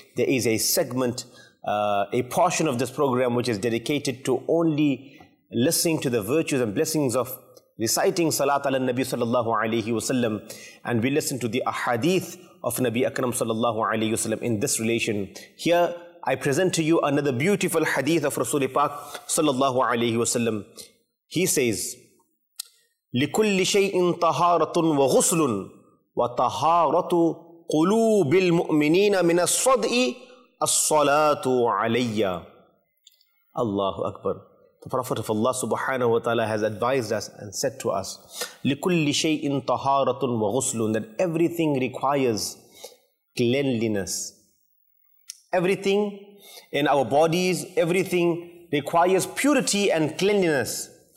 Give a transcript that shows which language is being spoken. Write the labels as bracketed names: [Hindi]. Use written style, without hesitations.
[English] There is a segment, a portion of this program which is dedicated to only listening to the virtues and blessings of reciting Salat ala Nabi sallallahu alayhi wa sallam, and we listen to the ahadith of Nabi Akram sallallahu alayhi wa sallam in this relation. Here I present to you another beautiful hadith of Rasul Pak sallallahu alayhi wa sallam. He says, [Arabic] لِكُلِّ شَيْءٍ طَهَارَةٌ وَغُسْلٌ وَطَهَارَةُ قُلُوبِ الْمُؤْمِنِينَ مِنَ الصَّدْءِ As-salatu alayya. Allahu Akbar. [English] The Prophet of Allah subhanahu wa ta'ala has advised us and said to us, [Arabic] لِكُلِّ شَيْءٍ طَهَارَةٌ وَغُسْلٌ, [English] that everything requires cleanliness. Everything in our bodies, everything requires purity and cleanliness.